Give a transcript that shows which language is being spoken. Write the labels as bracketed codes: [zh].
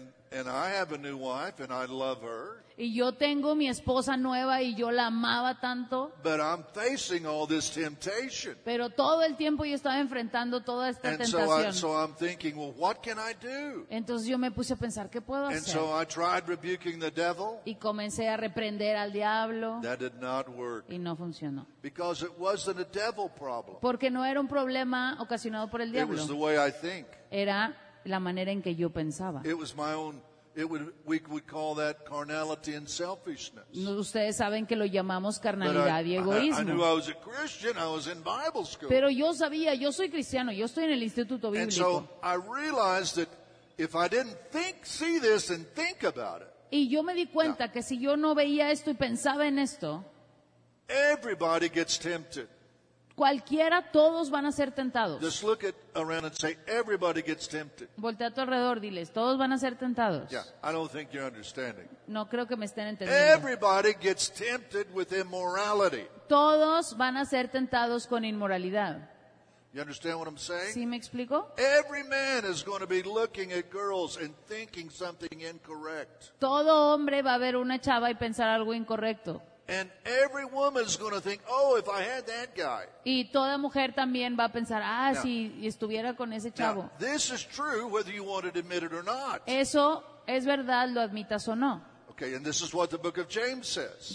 [en] And I have a new wife, and I love her. [es] Y yo tengo mi esposa nueva y yo la amaba tanto. [en] But I'm facing all this temptation. [es] Pero todo el tiempo yo estaba enfrentando toda esta tentación. [en] I'm thinking, well, what can I do? [es] Entonces yo me puse a pensar, ¿qué puedo hacer? [en] And so I tried rebuking the devil. [es] Y comencé a reprender al diablo. [en] That did not work. [es] Y no funcionó. [en] Because it wasn't a devil problem. [es] Porque no era un problema ocasionado por el diablo. [en] It was the way I think. [es] Era la manera en que yo pensaba. [en] It was my own. We call that carnality and selfishness. [es] Ustedes saben que lo llamamos carnalidad y egoísmo. [en] I knew I was a Christian. I was in Bible school. [es] Pero yo sabía, yo soy cristiano, yo estoy en el instituto bíblico. [en] And so I realized that if I didn't see this and think about it. [es] Y yo me di cuenta que si yo no veía esto y pensaba en esto. [en] Everybody gets tempted. [es] Cualquiera, todos van a ser tentados. [en] Just look at around and say, everybody gets tempted. [es] Voltea a tu alrededor, diles, todos van a ser tentados. [en] Yeah, I don't think you're understanding. [es] No creo que me estén entendiendo. [en] Everybody gets tempted with immorality. [es] Todos van a ser tentados con inmoralidad. [en] You understand what I'm saying? [es] ¿Sí me explico? [en] Every man is going to be looking at girls and thinking something incorrect. [es] Todo hombre va a ver una chava y pensar algo incorrecto. [en] And every woman is going to think, "Oh, if I had that guy." [es] Y toda mujer también va a pensar, "Ah, now, si estuviera con ese chavo." [en] Now, this is true whether you want to admit it or not. [es] Eso es verdad, lo admitas o no. [en] Okay, and this is what the book of James says.